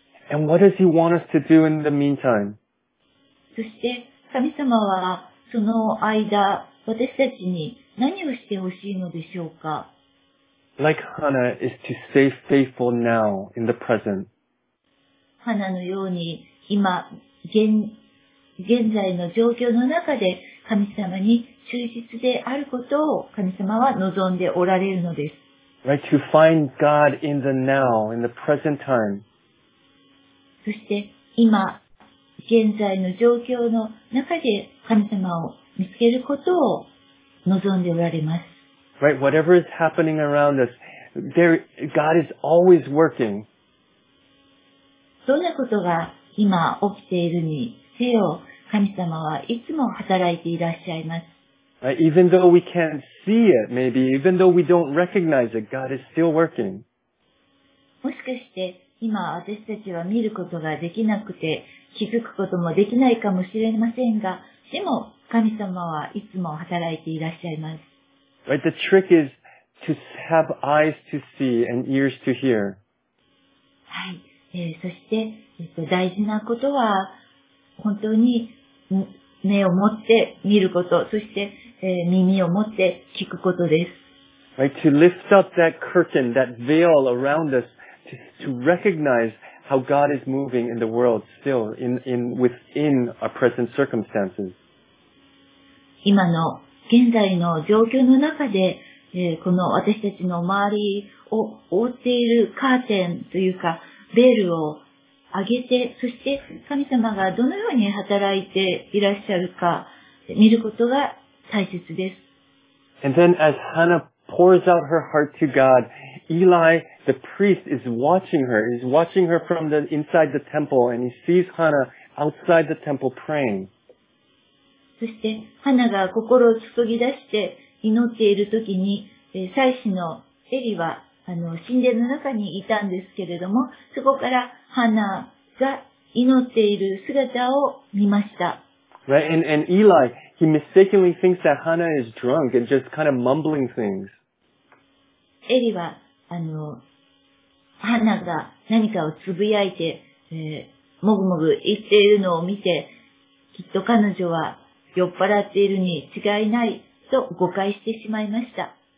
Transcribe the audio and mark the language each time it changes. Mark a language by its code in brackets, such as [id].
[en] And what does He want us to do in the meantime? [ja] そして神様はその間私たちに何をしてほしいのでしょうか。 [en] Like Hannah is to stay faithful now in the present. [ja] 花のように今現在の状況の中で神様に忠実であることを神様は望んでおられるのです。 [en] Right, to find God in the now, in the present time. [ja] そして今現在の状況の中で神様を見つけることを望んでおられます。 [en] Right, whatever is happening around us, there, God is always working. [ja] どんなことが今起きているにせよ、神様はいつも働いていらっしゃいます。 [en] Even though we can't see it, maybe, even though we don't recognize it, God is still working. [ja] もしかして、今私たちは見ることができなくて、気づくこともできないかもしれませんが、でも神様はいつも働いていらっしゃいます。 [en] Right, the trick is to have eyes to see and ears to hear. [ja] はい。そして、大事なことは、本当に目を持って見ること、そして、耳を持って聞くことです。 [en] Right, to lift up that curtain, that veil around us, to recognize how God is moving in the world still, within our present circumstances. [ja] 今の現在の状況の中で、この私たちの周りを覆っているカーテンというか、ベールを上げて、そして神様がどのように働いていらっしゃるか見ることが大切です。 [en] And then as Hannah pours out her heart to God, Eli, the priest, is watching her. He's watching her from the inside the temple, and he sees Hannah outside the temple praying. [ja] そして、Hannah が心を注ぎ出して祈っているときに、祭司のエリは、神殿の中にいたんですけれども、そこからハナが祈っている姿を見ました。 [en] Right, and Eli, he mistakenly thinks that Hannah is drunk and just kind of mumbling things. [ja] エリは、ハナが何かをつぶやいて、もぐもぐ言っているのを見て、きっと彼女は酔っ払っているに違いないと誤解してしまいました。